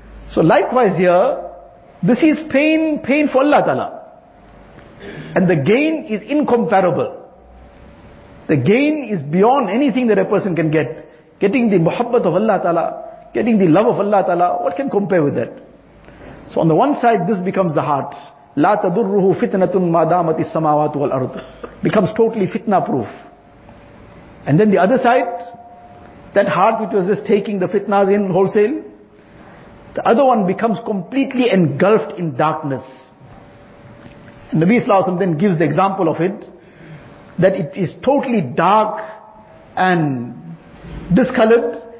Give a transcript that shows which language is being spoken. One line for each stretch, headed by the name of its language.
English: So likewise here, this is pain, pain for Allah Ta'ala. And the gain is incomparable. The gain is beyond anything that a person can get. Getting the muhabbat of Allah Ta'ala, getting the love of Allah Ta'ala, what can compare with that? So on the one side, this becomes the heart.
Arabic: لا تضره فتنة ما دامت السماوات والأرض.
English: Becomes totally fitna proof. And then the other side, that heart which was just taking the fitnas in wholesale, the other one becomes completely engulfed in darkness. And Nabi Sallallahu Alaihi Wasallam then gives the example of it, that it is totally dark and discolored.